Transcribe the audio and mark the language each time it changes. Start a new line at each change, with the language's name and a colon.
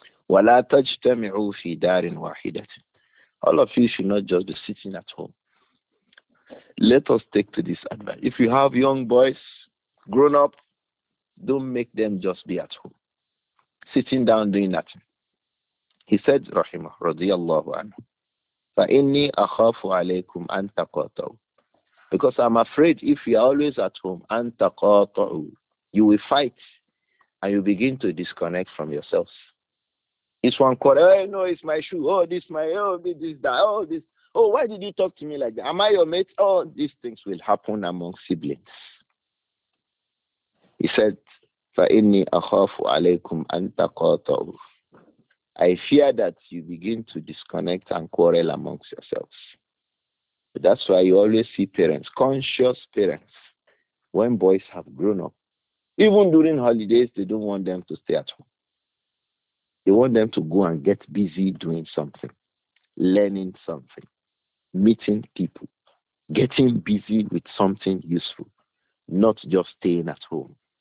Arabic: وَلَا تَجْتَمِعُوا فِي دَارٍ وَاحِدَةٍ.
English: All of you should not just be sitting at home. Let us take to this advice. If you have young boys, grown up, don't make them just be at home, sitting down doing nothing. He said,
Arabic: رَحِمَهُ رَضِيَ اللَّهُ عَنْهُ فَإِنِّي أَخَافُ عَلَيْكُمْ أَن تَقَاطَعُوا.
English: Because I'm afraid if you're always at home,
Arabic: أَن تَقَاطَعُوا,
English: you will fight and you begin to disconnect from yourselves. This one called, oh, no, it's my shoe. Oh, this my, oh, this that, oh, this. Oh, why did he talk to me like that? Am I your mate? Oh, these things will happen among siblings. He said,
Arabic: فَإِنِّي أَخَافُ عَلَيْكُمْ أَن تَقَاطَعُوا.
English: I fear that you begin to disconnect and quarrel amongst yourselves. But that's why you always see parents, conscious parents, when boys have grown up, even during holidays, they don't want them to stay at home. They want them to go and get busy doing something, learning something, meeting people, getting busy with something useful, not just staying at home.